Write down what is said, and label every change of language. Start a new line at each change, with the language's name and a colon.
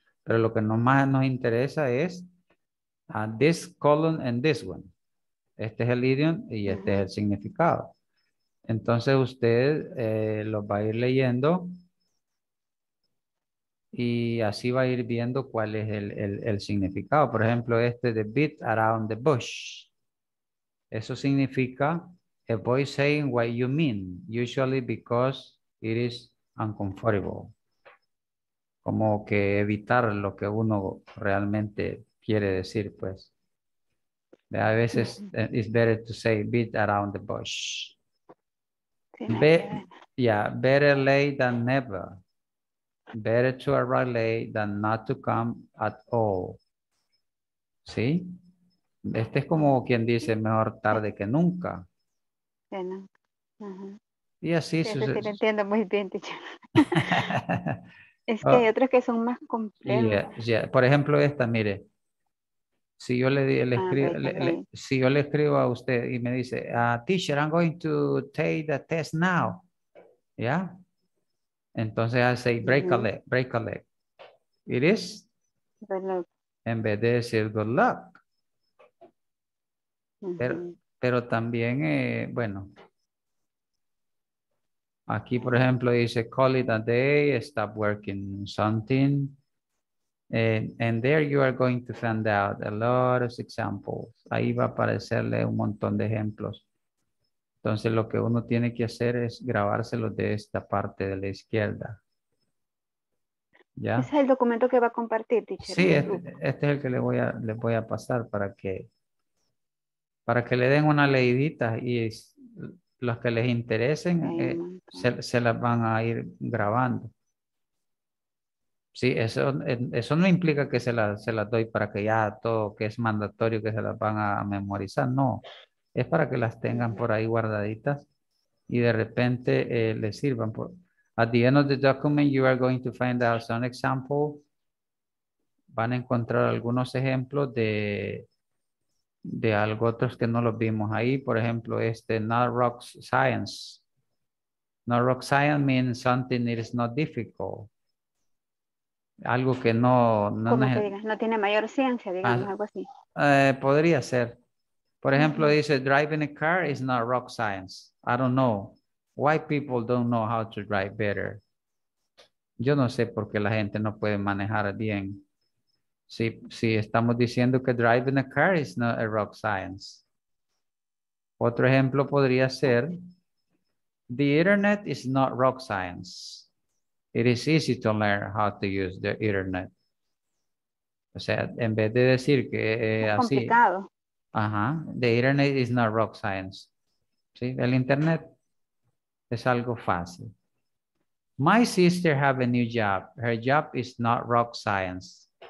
Spanish: Pero lo que más nos interesa es
English: this colon and this one.
Spanish: Este es el idiom y este es el significado. Entonces usted lo va a ir leyendo y así va a ir viendo cuál es el significado. Por ejemplo, este de
English: beat around the bush.
Spanish: Eso significa
English: a boy saying what you mean, usually because it is uncomfortable.
Spanish: Como que evitar lo que uno realmente quiere decir, pues. A veces
English: it's better to say beat around the bush. Better late than never. Better to arrive late than not to come at all.
Spanish: ¿Sí? Este es como quien dice mejor tarde que nunca. Bueno. Uh-huh. Y así sucede. Sí, lo entiendo muy bien, teacher. Es que hay otros que son más complejos. Yeah. Por ejemplo, esta, mire. Si yo le escribo a usted y me dice, teacher,
English: I'm going to take the test now. Yeah.
Spanish: Entonces,
English: I say, break a leg. It is? Good luck.
Spanish: En vez de decir,
English: good luck. Uh-huh.
Spanish: Pero también, bueno, aquí, por ejemplo, dice,
English: call it a day, stop working something. And there you are going to find out a lot of examples.
Spanish: Ahí va a aparecerle un montón de ejemplos. Entonces, lo que uno tiene que hacer es grabárselo de esta parte de la izquierda. ¿Ya? ¿Ese es el documento que va a compartir, teacher? Sí, este es el que le voy a pasar para que... Para que le den una leidita y los que les interesen se las van a ir grabando. Sí, eso no implica que se las doy para que ya todo, que es mandatorio que se las van a memorizar. No, es para que las tengan por ahí guardaditas y de repente les sirvan.
English: At the end of the document, you are going to find out some examples.
Spanish: Van a encontrar algunos ejemplos de algo otros que no los vimos ahí. Por ejemplo, este
English: not rock science.
Spanish: Not rock science means something that is not difficult. Algo que no... No, ¿cómo que digas? No tiene mayor ciencia, digamos, algo así. Podría ser. Por ejemplo, uh-huh.
English: Dice driving a car is not rock science. I don't know. Why people don't know how to drive better?
Spanish: Yo no sé por qué la gente no puede manejar bien. Sí, estamos diciendo que
English: driving a car is not a rock science.
Spanish: Otro ejemplo podría ser,
English: the internet is not rock science. It is easy to learn how to use the internet.
Spanish: O sea, en vez de decir que así. Complicado. Ajá,
English: the internet is not rock science.
Spanish: Sí, el internet es algo fácil.
English: My sister have a new job. Her job is not rock science.